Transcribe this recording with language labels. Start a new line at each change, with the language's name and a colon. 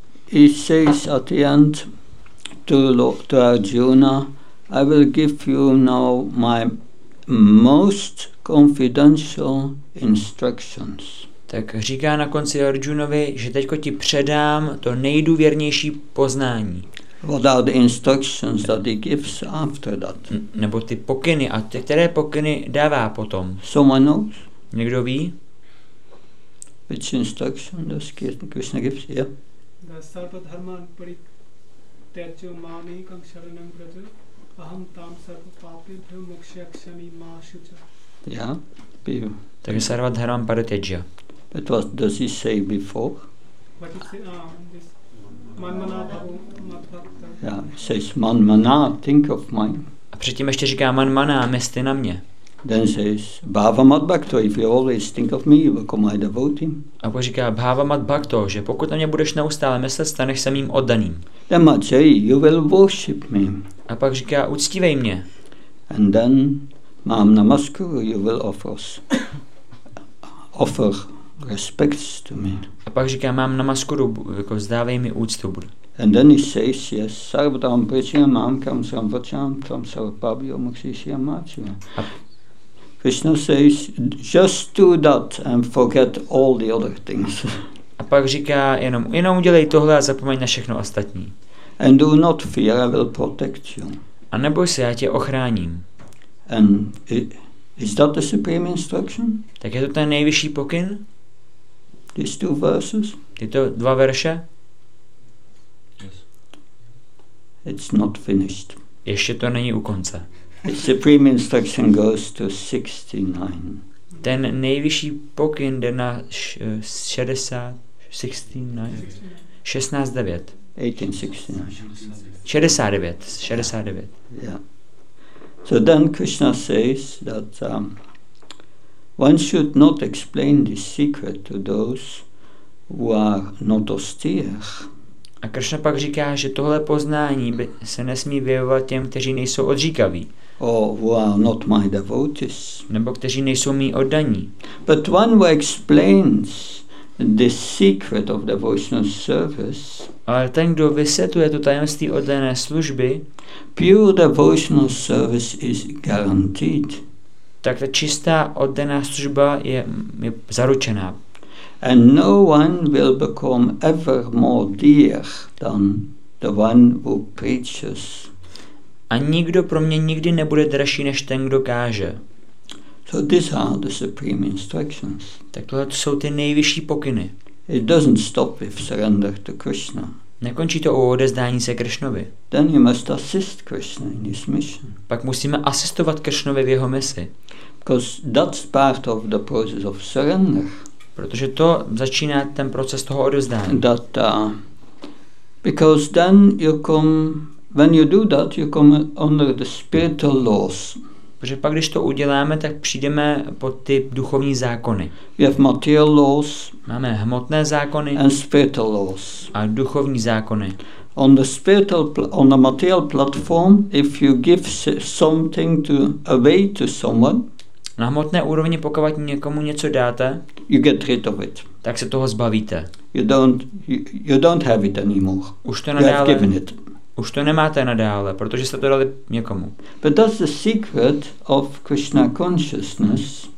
English: He says at the end to Arjuna, I will give you now my most confidential instructions.
Czech: Tak říká na konci Arjunovi, že teďko ti předám to nejdůvěrnější poznání.
English: What are the instructions that he gives after that?
Czech: Nebo ty pokyny, a ty, které pokyny dává potom?
English: Someone knows?
Czech: Někdo ví?
English: Which instruction does Krishna gives? Yeah.
Sanskrit: Sarva dharma parityajyo mam ekam sharanam braj aham tam sarva papebhyo moksha yakshami ma shucha.
English: Yeah.
Czech: Tak
Sanskrit: sarva dharma parityajyo.
English: But what does he say before? What is it, this Manmana, yeah, it says Manmana, think of mine.
Czech: A předtím ještě říká Manmana, mysli na mě.
English: Then says Bhava Mad Bhakto, if you always think of me, you become my devotee.
Czech: A pak říká Bhava Mad Bhakto, že pokud na mě budeš neustále myslet, staneš se mým oddaným.
English: Then Majayi, you will worship me.
Czech: A pak říká uctívej mě.
English: And then Mam Namasku, you will offer respects to me.
Czech: A pak říká, mám namaskuru, jako vzdávej mi úctu.
English: And then he says, yes,
Sanskrit: sarvatam prichyam, mám kam sarvacham, tam sarvapabhyo, mokshishyam, mācchyam.
English: Krishna says, just do that and forget all the other things.
Czech: A pak říká, jenom udělej tohle a zapomeň na všechno ostatní.
English: And do not fear, I will protect you.
Czech: A neboj se, já tě ochráním.
English: And is that the supreme instruction?
Czech: Tak je to ten nejvyšší pokyn?
English: these two verses.
Czech: Tyto dva verše?
English: Yes. It's not finished.
Czech: Ještě to není u konce.
English: The supreme instruction goes to 69.
Czech: Ten nejvyšší pokyn jde na 69.
English: So then Krishna says that one should not explain this secret to those who are not austere.
Czech: A Krishna pak říká, že tohle poznání by se nesmí vyjevovat těm, kteří nejsou odříkaví.
English: Or who are not my devotees.
Czech: Nebo kteří nejsou mí oddaní.
English: But one who explains the secret of devotional service.
Czech: Ale ten, kdo vysvětluje tu tajemství oddané služby,
English: pure devotional service is guaranteed.
Czech: Tak ta čistá oddaná služba je zaručená.
English: And no one will become ever more dear than the one who preaches.
Czech: A nikdo pro mě nikdy nebude dražší než ten, kdo káže.
English: So these are the supreme instructions.
Czech: Takhle to jsou ty nejvyšší pokyny.
English: It doesn't stop with surrender to Krishna.
Czech: Nekončí to u odezdání se Krishnovi.
English: Then you must assist Krishna in his mission.
Czech: Pak musíme asistovat Krishnovi v jeho misi.
English: Because that's part of the process of surrender.
Czech: Protože to začíná ten proces toho odezdání.
English: That, because then you come, when you do that, you come under the spiritual laws.
Czech: Protože pak, když to uděláme, tak přijdeme pod ty duchovní zákony.
English: We have material laws.
Czech: Máme hmotné zákony.
English: And spiritual laws.
Czech: A duchovní zákony.
English: On the spiritual, on the material platform, if you give something to away to someone.
Czech: Na hmotné úrovni, pokud někomu něco dáte.
English: You get rid of it.
Czech: Tak se toho zbavíte.
English: You don't have it anymore.
Czech: Už to nadále.
English: You have given it.
Czech: Už to nemáte nadále, protože jste to dali někomu.
English: But that's the secret of Krishna consciousness.